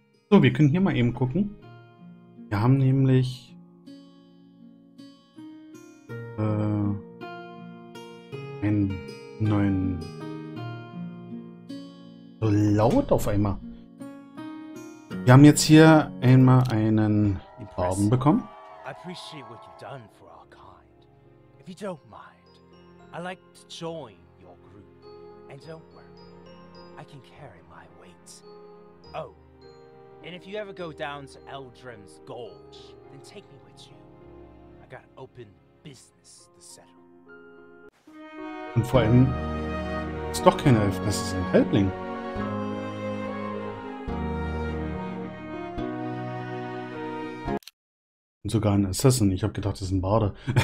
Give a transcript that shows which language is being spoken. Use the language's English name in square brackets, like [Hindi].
[German] So, wir können hier mal eben gucken. Wir haben nämlich einen neuen so laut auf einmal. Wir haben jetzt hier einmal einen Barden bekommen. [English] I appreciate what you've done for our kind. If you don't mind, I'd like to join your group. And don't worry, I can carry my weight. Oh, and if you ever go down to Eldren's Gorge, then take me with you. I got open business to settle. [German] Und vor allem ist doch kein Elf, das ist ein Halbling. Und sogar ein Assassin. Ich habe gedacht, das ist ein Barde.